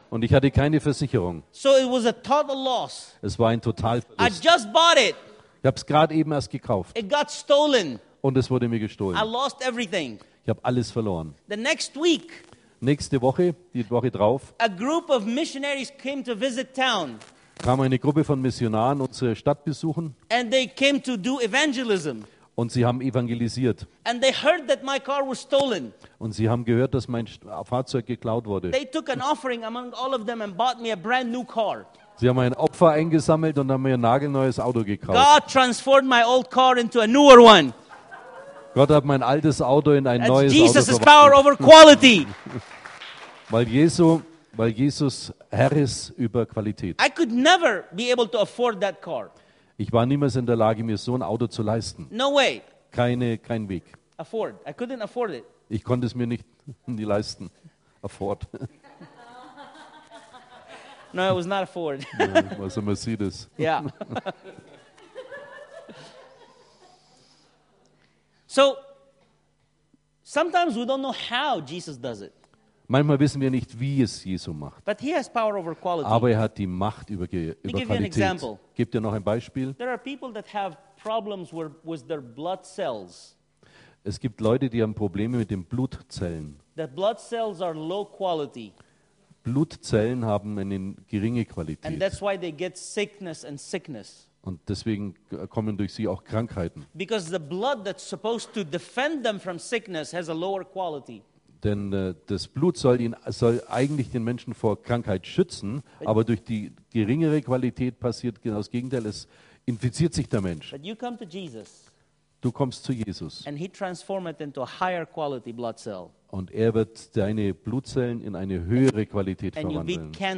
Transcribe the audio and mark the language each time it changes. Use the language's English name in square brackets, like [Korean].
[German] Und ich hatte keine Versicherung. [English] So it was a total loss. [German] Es war ein Totalverlust. [English] I just bought it. [German] Ich habe es gerade eben erst gekauft. [English] It got stolen. [German] Und es wurde mir gestohlen. [English] I lost everything. [German] Ich habe alles verloren. [English] The next week, [German] nächste Woche, die Woche drauf, [English] a group of missionaries came to visit town. [German] Kam eine Gruppe von Missionaren unsere Stadt besuchen. [English] And they came to do evangelism. [German] Und sie haben evangelisiert. [English] And they heard that my car was stolen. [German] Und sie haben gehört, dass mein Fahrzeug geklaut wurde. [English] They took an offering among all of them and bought me a brand new car. [German] Sie haben ein Opfer eingesammelt und haben mir ein nagelneues Auto gekauft. [English] God transformed my old car into a newer one. [German] Gott hat mein altes Auto in ein [English] That's [German] neues [English] Jesus [German] Auto verwandelt. [English] Power over quality. [German] Weil Jesus Herr ist über Qualität. [English] I could never be able to afford that car. [German] Ich war niemals in der Lage, mir so ein Auto zu leisten. [English] No way. [German] Kein Weg. [English] Afford. I couldn't afford it. [German] Ich konnte es mir nicht leisten. [English] Afford. No, it was not a Ford. It was a Mercedes. Yeah. So, sometimes we don't know how Jesus does it. [German] Manchmal wissen wir nicht, wie es Jesus macht. [English] But he has power over quality. [German] Aber er hat die Macht über Qualität. [English] Let me give you an example. [German] Gib dir noch ein Beispiel. [English] There are people that have problems with their blood cells. [German] Es gibt Leute, die haben Probleme mit den Blutzellen. [English] The blood cells are low quality. [German] Blutzellen haben eine geringe Qualität. [English] And that's why they get sickness and sickness. [German] Und deswegen kommen durch sie auch Krankheiten. [English] Because the blood that's supposed to defend them from sickness has a lower quality. [German] Denn das Blut soll eigentlich den Menschen vor Krankheit schützen, aber durch die geringere Qualität passiert genau das Gegenteil, es infiziert sich der Mensch. [English] But you come to Jesus. [German] Du kommst zu Jesus. [English] And he transformed it into a higher quality blood cell. [German] Und er wird deine Blutzellen in eine höhere Qualität verwandeln.